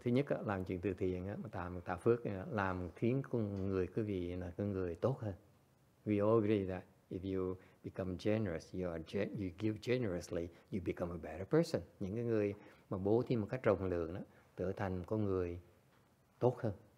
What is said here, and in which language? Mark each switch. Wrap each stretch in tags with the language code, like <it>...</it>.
<vi>Thứ nhất làm chuyện từ thiện tạo phước làm khiến con người quý vị là con người tốt hơn.</vi> <en>We all agree that if you become generous, you give generously, you become a better person.</en> <vi>Những cái người mà bố thí một cách rộng lượng đó trở thành con người tốt hơn.</vi>